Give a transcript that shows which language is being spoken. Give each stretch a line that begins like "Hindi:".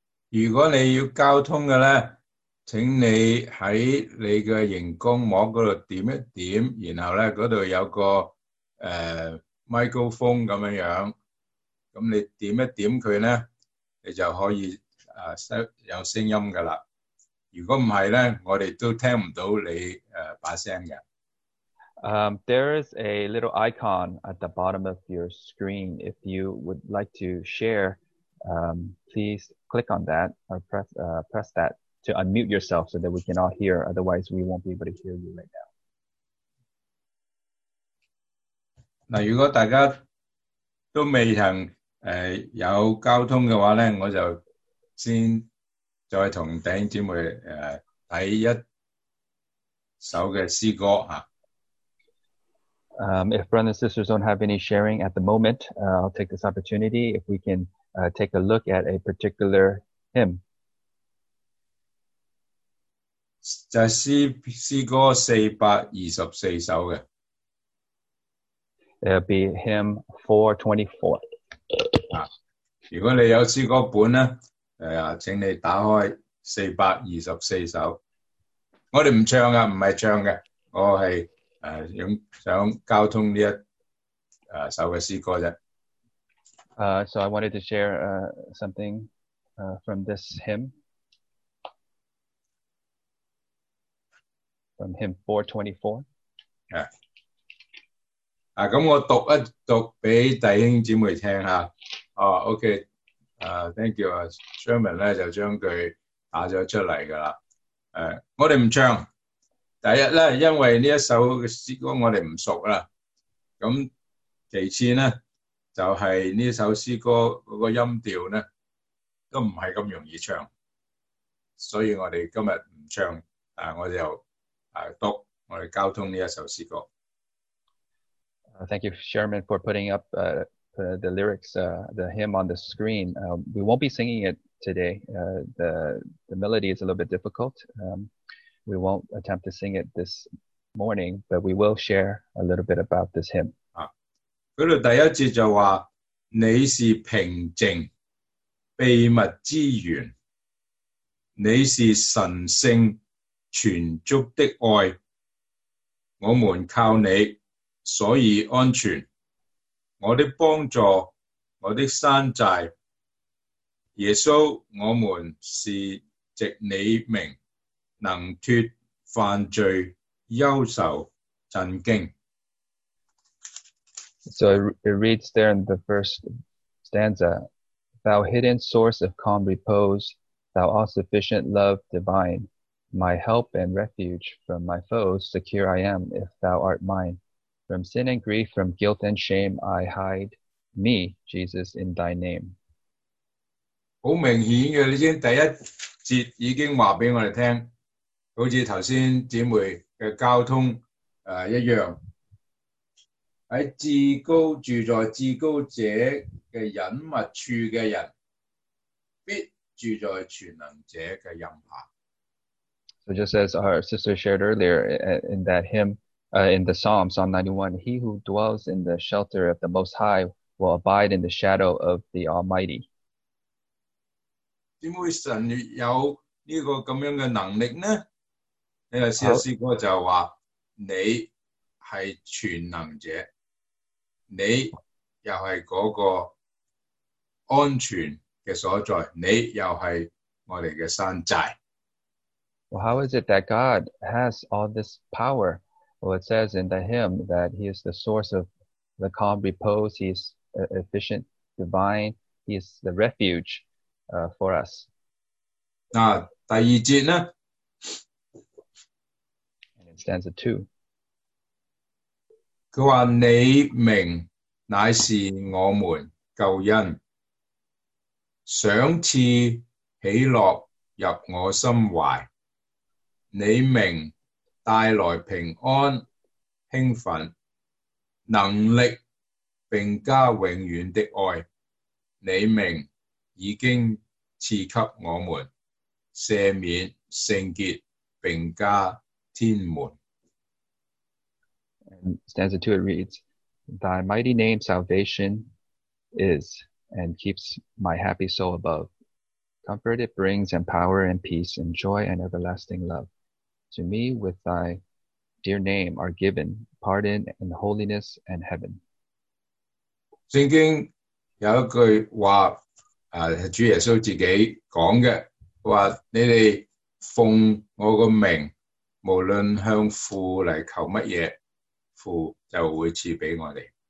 Chinese: 如果你要交通的呢，请你在你的荧光膜那里点一点，然后呢那里有个microphone 这样，那你点一点它呢，你就可以有声音的了。如果不是呢，我们都听不到你把声的。
English: There is a little icon at the bottom of your screen. If you would like to share, please click on that or press that to unmute yourself so that we can all hear. Otherwise, we won't be able to hear you right now.
Chinese: 那如果大家都未曾有交通的话呢，我就先再跟弟兄姊妹看一首的诗歌。
English: If brothers and sisters don't have any sharing at the moment, I'll take this opportunity if we cantake a look at a particular hymn.
Chinese: 就是诗歌424首的。
English: It'll be hymn 424.
Chinese: 如果你有诗歌本呢，请你打开424首。我们不唱的，不是唱的，我是想交通这一首的诗歌而已。
English: So I wanted to share something from this hymn. From hymn 424. Yeah.
Chinese: 那我读一读给弟兄姊妹听啊。
English: Oh, okay. Thank you.
Chinese: Sherman 呢就将它打了出来的了。我们不唱。第一呢，因为这首诗歌我们不熟了。那其次呢，就是这首诗歌的音调呢都不是那么容易唱，所以我们今天不唱，我们就读我们交通这首诗歌。
English: Thank you, Sherman, for putting up the lyrics, the hymn on the screen. We won't be singing it today. The melody is a little bit difficult. We won't attempt to sing it this morning, but we will share a little bit about this hymn.
Chinese: 那里第一节就说，你是平静秘密之源，你是神圣全足的爱，我们靠你所以安全，我的帮助，我的山寨，耶稣，我们是藉你名能脱犯罪忧愁震惊。
English: So it reads there in the first stanza, Thou hidden source of calm repose, Thou all-sufficient love divine, My help and refuge from my foes, Secure I am if Thou art mine. From sin and grief, from guilt and shame, I hide me, Jesus, in Thy name.
Chinese: 很明显的，已经第一节已经告诉我们听，好像刚才姊妹的交通一样。在至高住在至高者的隐密处的人必住在全能者的荫下。
English: So just as our sister shared earlier in that hymn, in the Psalm, Psalm 91, he who dwells in the shelter of the Most High will abide in the shadow of the Almighty.
Chinese: 怎会神有这个这样的能力呢？你的诗歌就是说，你是全能者，你又是那个安全的所在，你又是我们的山寨。
English: Well, how is it that God has all this power? Well, it says in the hymn that he is the source of the calm repose. He is efficient, divine. He is the refuge for us.
Chinese: 啊，第二节呢？
English: And in stanza two.
Chinese: 他说你名乃是我们救恩，赏赐喜乐入我心怀。你名带来平安兴奋能力并加永远的爱你名已经赐给我们赦免圣洁并加天门。
English: And stanza 2 it reads, Thy mighty name salvation is and keeps my happy soul above. Comfort it brings and power and peace and joy and everlasting love. To me, with thy dear name are given pardon and holiness and heaven.
Chinese: 圣经有一句话，是主耶稣自己讲的，说你们奉我的名，无论向父来求什么，父就会赐给我们。